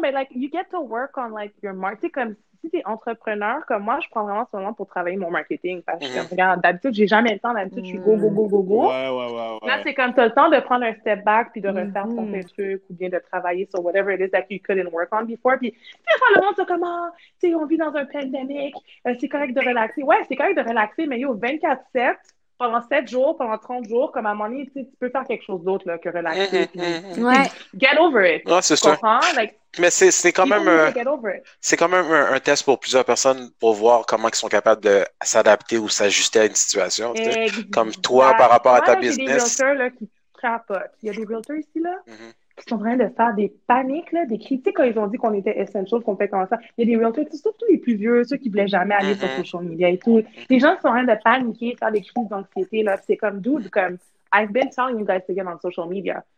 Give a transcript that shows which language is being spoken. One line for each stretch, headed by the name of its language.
English: Mais like, you get to work on like your marketing.
French: Comme si t'es entrepreneur, comme moi, je prends vraiment ce moment pour travailler mon marketing. Parce que regarde, d'habitude, j'ai jamais le temps. D'habitude, je suis go. Ouais. Là, c'est comme t'as le temps de prendre un step back puis de refaire certains trucs ou bien de travailler sur
English: whatever it is that you couldn't work on before.
French: Puis des fois, le monde se comme, tu sais, on vit dans un pandémique, c'est correct de relaxer. Ouais, c'est correct de relaxer, mais yo, 24/7, pendant 7 jours, pendant 30 jours, comme à un moment donné, tu peux faire quelque chose d'autre là, que relaxer. Ouais.
English: Get over it.
French: Ouais, c'est sûr. Mais c'est quand même un test pour plusieurs personnes pour voir comment ils sont capables de s'adapter ou s'ajuster à une situation. Comme toi, par rapport à ta business. Il y a des realtors là, qui trapotent. Il y a des realtors ici là, qui sont en train de faire des paniques, là, des critiques quand ils ont dit qu'on était essential, qu'on fait comme ça. Il y a des realtors, surtout les plus vieux, ceux qui ne voulaient jamais aller sur social media et tout. Les gens sont en train de paniquer, faire des crises d'anxiété. Là. C'est comme,
English: dude, comme, I've been telling you guys to get on social media.